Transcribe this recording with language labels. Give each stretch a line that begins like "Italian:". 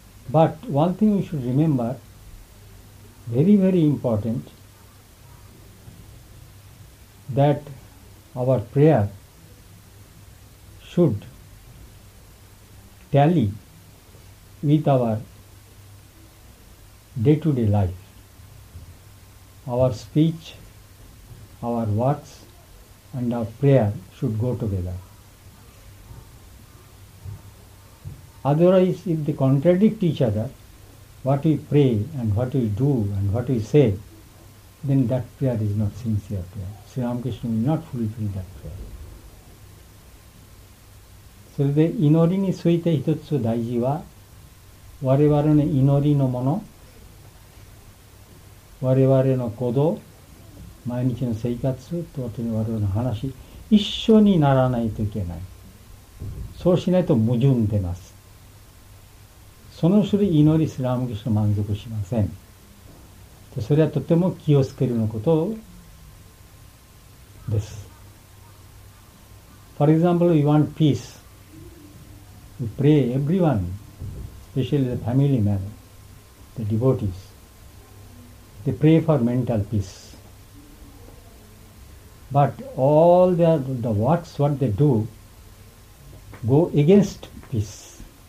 English: But one thing you should remember, very very important, that our prayer should tally with our day-to-day life, our speech, our words, and our prayer should go together. Otherwise, if they contradict each other, what we pray and what we do and what we say, then that prayer is not sincere prayer. Sri Ramakrishna will not fulfill that prayer.
Japanese: それで祈りについて一つ大事は、我々の祈りのもの、我々の行動、毎日の生活と我々の話、一緒にならないといけない。そうしないと矛盾出ます。その種類祈りすら Ramakrishna と満足しません。それはとても気をつけるのことです。
English: For example, we want peace. We pray everyone, especially the family men, the devotees, they pray for mental peace. But all the works, what they do, go against peace.